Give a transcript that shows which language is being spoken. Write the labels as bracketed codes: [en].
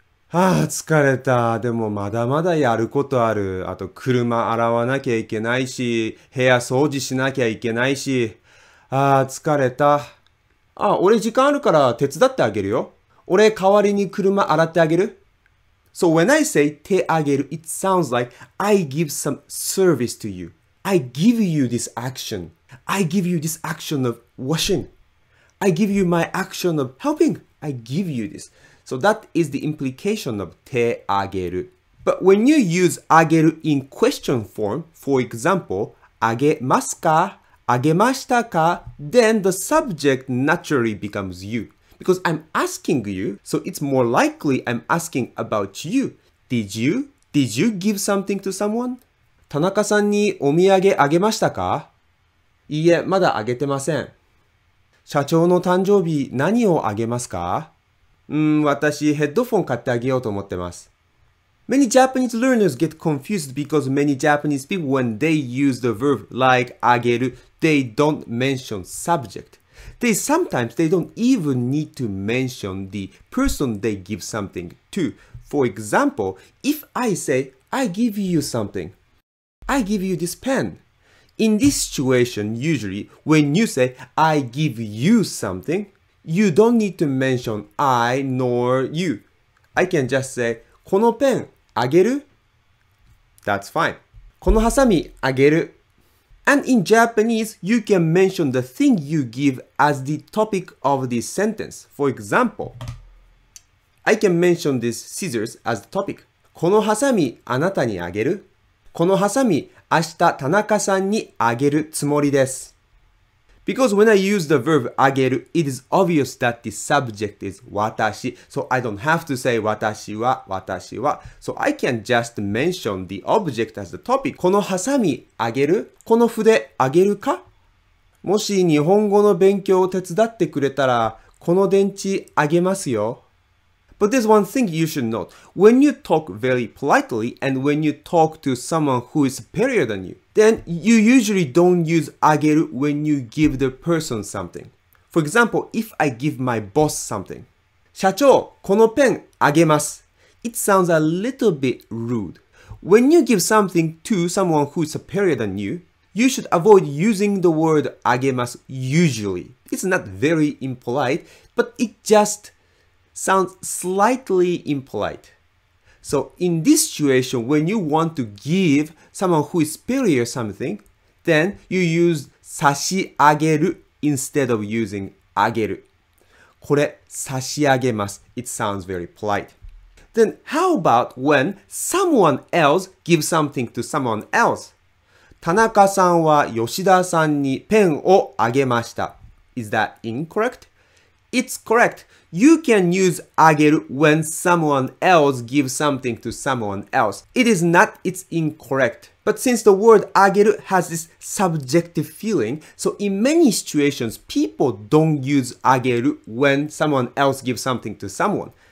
[ja] ああ、疲れた。でもまだまだやることある。あと、車洗わなきゃいけないし、部屋掃除しなきゃいけないし。ああ、疲れた。あ、俺時間あるから手伝ってあげるよ。俺代わりに車洗ってあげる。 [en] So when I say 手あげる, it sounds like I give some service to you. I give you this action. I give you this action of washing. I give you my action of helping. I give you this. So that is the implication of 手あげる. But when you use あげる in question form, for example, あげますか? [ja] あげましたか? [en] Then the subject naturally becomes you. Because I'm asking you, so it's more likely I'm asking about you. Did you give something to someone? [ja] 田中さんにお土産あげましたか? いいえ、まだあげてません。社長の誕生日何をあげますか? 私、ヘッドフォン買ってあげようと思ってます。 [en] Many Japanese learners get confused because many Japanese people, when they use the verb like あげる, they don't mention subject. They sometimes, they don't even need to mention the person they give something to. For example, if I say, I give you something. I give you this pen. In this situation, usually, when you say, I give you something,You don't need to mention I nor you. I can just say, [ja] このペンあげる? [en] That's fine. [ja] このハサミあげる。 [en] And in Japanese, you can mention the thing you give as the topic of the sentence. For example, I can mention this scissors as the topic. [ja] このハサミあなたにあげる?このハサミ明日田中さんにあげるつもりです。 [en] Because when I use the verb あげる, it is obvious that the subject is 私, so I don't have to say 私は、私は, so I can just mention the object as the topic. [ja] このハサミあげる?この筆あげるか? もし日本語の勉強を手伝ってくれたら、この電池あげますよ。 [en] But there's one thing you should note. When you talk very politely and when you talk to someone who is superior than you, then you usually don't use あげる when you give the person something. For example, if I give my boss something, [ja] 社長、このペンあげます。 [en] It sounds a little bit rude. When you give something to someone who is superior than you, you should avoid using the word あげます usually. It's not very impolite, but it just sounds slightly impolite. So in this situation, when you want to give someone who is superior something, then you use さしあげる instead of using あげる。 [ja] これ、差し上げます。 [en] It sounds very polite. Then how about when someone else gives something to someone else? [ja] 田中さんは吉田さんにペンをあげました。 [en] Is that incorrect? It's correct. You can use あげる when someone else gives something to someone else. It is not, it's incorrect. But since the word あげる has this subjective feeling, so in many situations, people don't use あげる when someone else gives something to someone.